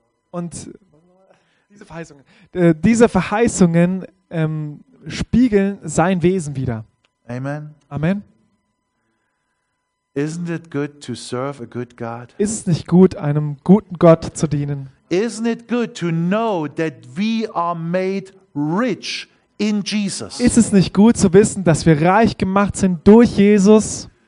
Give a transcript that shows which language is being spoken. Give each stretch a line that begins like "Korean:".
German: Und diese Verheißungen spiegeln sein Wesen wider. Amen. Amen.
English: Isn't it good to serve a good God?
German: Ist es nicht gut, einem guten Gott zu dienen?
English: Isn't it good to know that we are made rich in Jesus?
German: Ist es nicht gut zu wissen, dass wir reich gemacht sind durch Jesus?